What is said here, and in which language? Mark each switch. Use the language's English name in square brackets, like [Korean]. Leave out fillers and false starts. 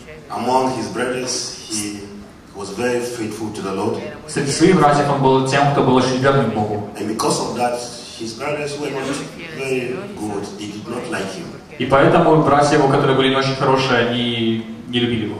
[English] Among his brothers, he was very faithful to the Lord. [Russian] Среди своих братьев он был тем, кто был очень верным Богу. [English] And because of that, his brothers were not very good. They did not like him. [Russian] И поэтому братья его, которые были не очень хорошие, они не любили его.